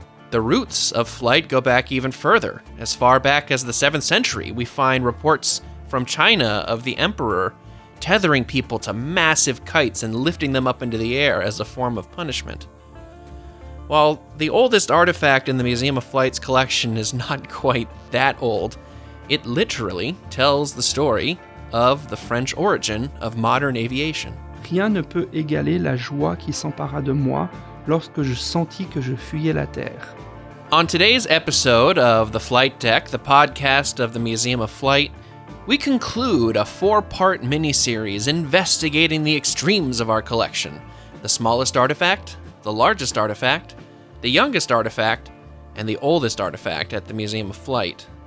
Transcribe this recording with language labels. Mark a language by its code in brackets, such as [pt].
[en] The roots of flight go back even further. As far back as the 7th century, we find reports from China of the emperor tethering people to massive kites and lifting them up into the air as a form of punishment. While the oldest artifact in the Museum of Flight's collection is not quite that old, it literally tells the story of the French origin of modern aviation. [fr] Rien ne peut égaler la joie qui s'empara de moi lorsque je sentis que je fuyais la terre. [en] On today's episode of The Flight Deck, the podcast of the Museum of Flight, we conclude a 4-part mini-series investigating the extremes of our collection. The smallest artifact, the largest artifact, the youngest artifact, and the oldest artifact at the Museum of Flight.